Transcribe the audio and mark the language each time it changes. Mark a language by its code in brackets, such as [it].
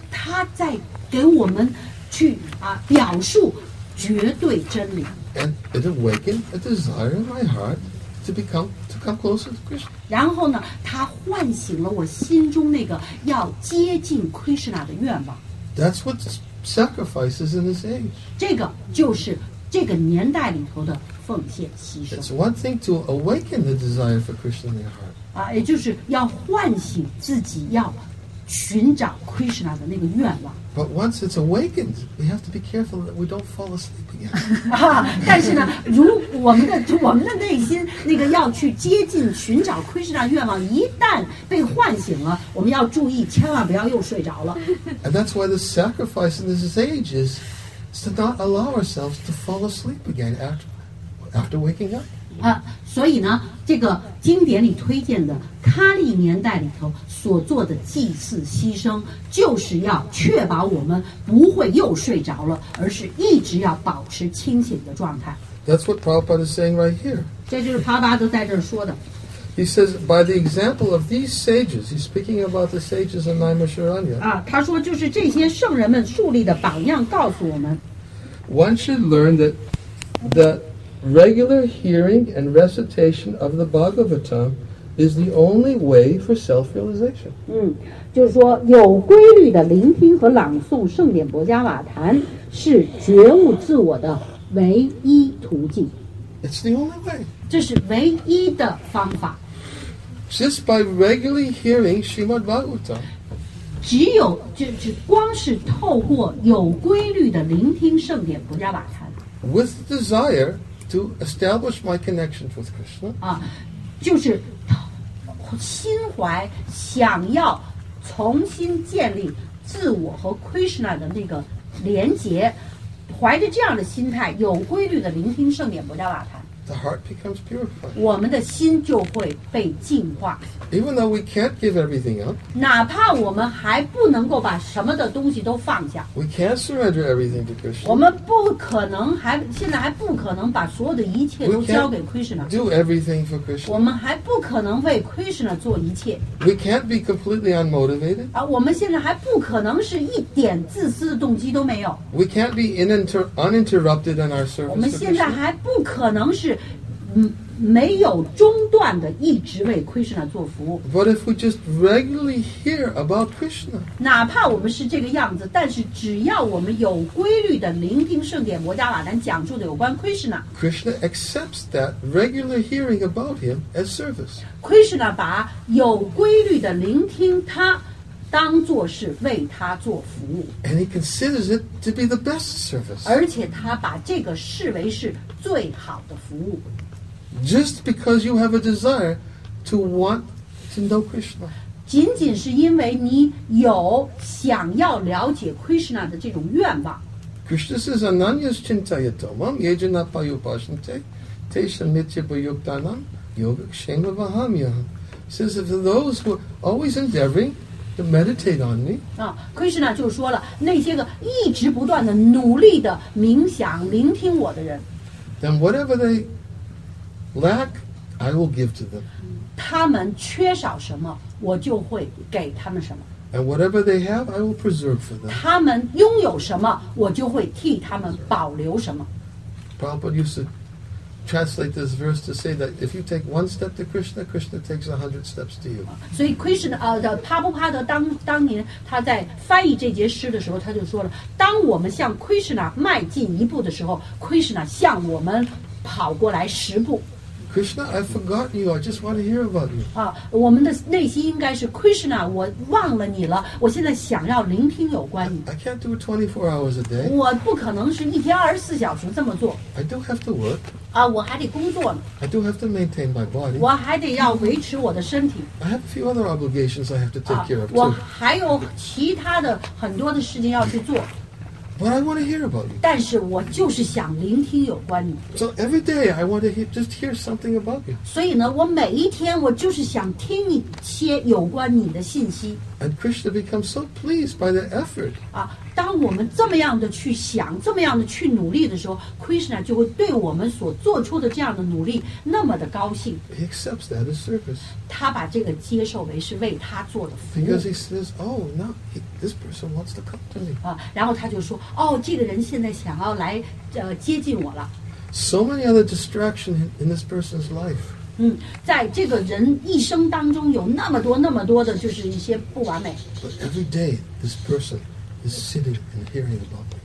[zh] 他在给我们去表述绝对真理。 [en] And it awakened a desire in my heart to come closer to Krishna. [zh] 然后呢，他唤醒了我心中那个要接近 Krishna 的愿望。 [en] That's what sacrifices in this age. [zh] 这个就是。这个年代里头的奉献牺牲。 [en] It's one thing to awaken the desire for Krishna in your heart. [zh] 也就是要唤醒自己要寻找 Krishna 的那个愿望。 [en] But once it's awakened, we have to be careful that we don't fall asleep again. [zh] 但是呢，如我们的内心那个要去接近寻找 Krishna 愿望，一旦被唤醒了，我们要注意，千万不要又睡着了。 [en] And that's why the sacrifice in this age is to not allow ourselves to fall asleep again after waking up. [zh] 所以呢，这个经典里推荐的喀利年代里头所做的祭祀牺牲，就是要确保我们不会又睡着了，而是一直要保持清醒的状态。 [en] That's what Prabhupada is saying right here. [zh] 这就是帕巴德在这儿说的。 [en] He says, by the example of these sages, he's speaking about the sages of Naimisharanya. [zh] 他说就是这些圣人们树立的榜样告诉我们。 [en] One should learn that regular hearing and recitation of the Bhagavatam is the only way for self-realization. [zh] 就是说有规律的聆听和朗诵圣典博伽瓦坛是觉悟自我的唯一途径。 [en] It's the only way. [zh] 这是唯一的方法。 [en] Just by regularly hearing Srimad Bhagavatam. [zh] 只光是透过有规律的聆听圣典博伽瓦坛。 [en] With desire,To establish my connection with Krishna. [zh] 就是心怀想要重新建立自我和 Krishna 的那个连结，怀着这样的心态，有规律的聆听圣典博伽瓦坛。 [en] The heart becomes purified. [zh] 我们的心就会被净化。 [en] Even though we can't give everything up. [zh] 哪怕我们还不能够把什么的东西都放下。 [en] We can't surrender everything to Krishna. [zh] 我们不可能现在还不可能把所有的一切都交给 Krishna. [en] Do everything for Krishna. [zh] 我们还不可能为 Krishna 做一切。 [en] We can't be completely unmotivated. [zh] 我们现在还不可能是一点自私的动机都没有。 [en] We can't be uninterrupted in our service. [zh] 我们现在还不可能是没有中断的一直为 Krishna 做服务。 [en] But if we just regularly hear about Krishna, [zh] 哪怕我们是这个样子，但是只要我们有规律的聆听圣典摩迦瓦坛讲述的有关 Krishna, [en] Krishna accepts that regular hearing about him as service. [zh] Krishna 把有规律的聆听他当作是为他做服务。 [en] And he considers it to be the best service. [zh] 而且他把这个视为是最好的服务。 [en] Just because you have a desire to want to know Krishna. [zh] 仅仅是因为你有想要了解 Krishna 的这种愿望。 [en] Krishna says, [sa] Ananyas chintayatomam, yejanapayupashante, teshamityabhayuktanam, yogakshemavahamyaham. [en] Says, if those who are always endeavoring,To meditate on me. [zh] Krishna 就说了，那些个一直不断的努力的冥想、聆听我的人。 [en] Then whatever they lack, I will give to them. [zh] 他们缺少什么，我就会给他们什么。 [en] And whatever they have, I will preserve for them. [zh] 他们拥有什么，我就会替他们保留什么。 [en] Prabhupada used to translate this verse to say that if you take one step to Krishna, Krishna takes 100 steps to you. [zh] 所以 Krishna, 帕布帕德当年他在翻译这节诗的时候，他就说了，当我们向 Krishna 迈进一步的时候， Krishna 向我们跑过来十步。 [en] Krishna, I've forgotten you. I just want to hear about you. [zh] 我们的内心应该是 Krishna, 我忘了你了，我现在想要聆听有关你。 [en] I can't do it 24 hours a day. [zh] 我不可能是一天24小时这么做。 [en] I do have to work. [zh] 我还得工作呢。 [en] I do have to maintain my body. [zh] 我还得要维持我的身体。 [en] I have a few other obligations I have to take care of too. [zh] 我还有其他的很多的事情要去做。 [en] But I want to hear about you. [zh] 但是我就是想聆听有关你。 [en] So every day I want to just hear something about you. [zh] 所以呢，我每一天我就是想听一些有关你的信息。 [en] And Krishna becomes so pleased by the effort. [zh] 当我们这么样的去想，这么样的去努力的时候， Krishna 就会对我们所做出的这样的努力那么的高兴。 [en] He accepts that as service. [zh] 他把这个接受为是为他做的服务。 [en] Because he says, oh, now this person wants to come to me. [zh] 然后他就说，哦，这个人现在想要来接近我了。 [en] So many other distractions in this person's life. [zh] 在这个人一生当中有那么多那么多的就是一些不完美。 [en] But every day this person is sitting and hearing about me.